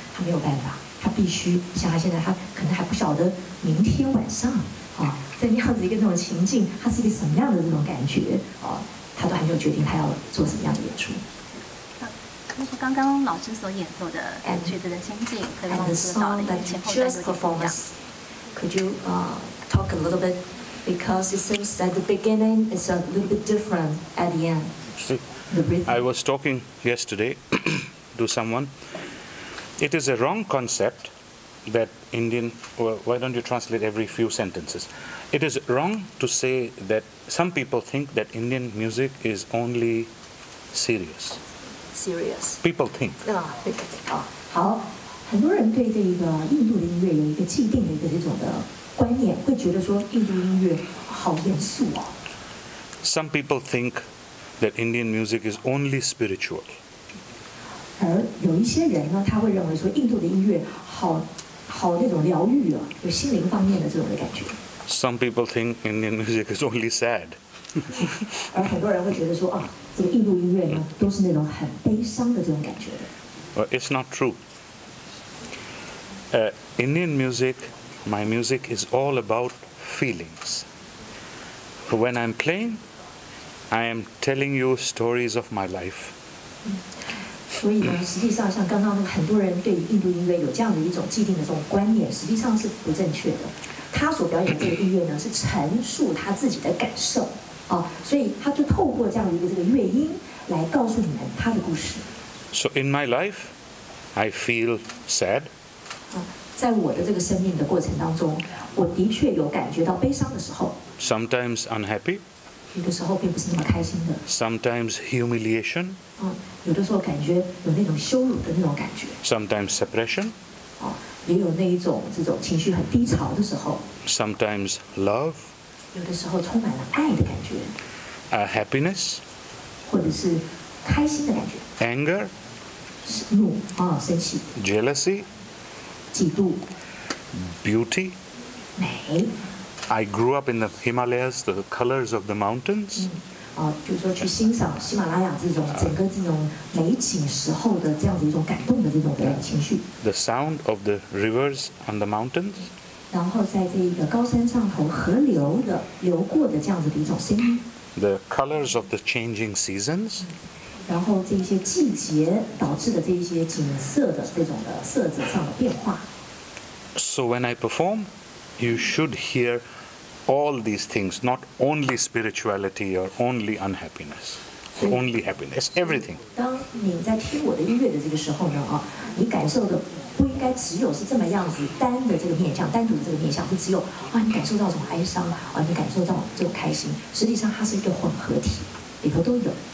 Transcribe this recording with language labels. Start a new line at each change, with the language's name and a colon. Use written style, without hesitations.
Chinese: 他没有办法，他必须像他现在，他可能还不晓得明天晚上啊，在那样子一个那种情境，他是一个什么样的这种感觉啊，他都还没有决定他要做什么样的演出。刚刚老师所演奏的曲子的心境，可以帮我们说到的前后段有点不一样。
English: Could you talk a little bit? Because it seems that the beginning is a little bit different at the end. I was talking yesterday to someone. It is a wrong concept that Indian... Well, why don't you translate every few sentences? It is wrong to say that some people think that Indian music is only serious. Serious. People think. Oh, okay.
Chinese: 很多人对这个印度的音乐有一个既定的一个这种的观念，会觉得说印度音乐好严肃哦。
English: Some people think that Indian music is only spiritual.
Chinese: 而有一些人呢，他会认为说印度的音乐好那种疗愈啊，有心灵方面的这种的感觉。
English: Some people think Indian music is only sad.
Chinese: 而很多人会觉得说啊，这个印度音乐呢，都是那种很悲伤的这种感觉。
English: Well, it's not true. Indian music, my music is all about feelings. When I'm playing, I am telling you stories of my life.
Chinese: 所以呢，实际上像刚刚很多人对印度音乐有这样的一种既定的这种观念，实际上是不正确的。他所表演这个音乐呢，是陈述他自己的感受啊，所以他就透过这样的一个这个乐音来告诉你们他的故事。
English: So in my life, I feel sad.
Chinese: 在我的这个生命的过程当中，我的确有感觉到悲伤的时候。
English: Sometimes unhappy.
Chinese: 有的时候并不是那么开心的。
English: Sometimes humiliation.
Chinese: 有的时候感觉有那种羞辱的那种感觉。
English: Sometimes suppression.
Chinese: 也有那一种这种情绪很低潮的时候。
English: Sometimes love.
Chinese: 有的时候充满了爱的感觉。
English: Happiness.
Chinese: 或者是开心的感觉。
English: Anger.
Chinese: 怒生气。
English: Jealousy.
Chinese: 嫉妒。
English: Beauty.
Chinese: 美。
English: I grew up in the Himalayas, the colors of the mountains.
Chinese: 比如说去欣赏喜马拉雅这种整个这种美景时候的这样的一种感动的这种情绪。
English: The sound of the rivers on the mountains.
Chinese: 然后在这个高山上头河流的流过的这样子的一种声音。
English: The colors of the changing seasons.
Chinese: 然后这些季节导致的这些景色的这种的色泽上的变化。
English: So when I perform. You should hear all these things, not only spirituality or only unhappiness, or only happiness. Everything.
Chinese: 当你在听我的音乐的这个时候呢，你感受的不应该只有是这么样子单的这个面向，单独的这个面向，不只有你感受到这种哀伤，你感受到这种开心。实际上，它是一个混合体，里头都有。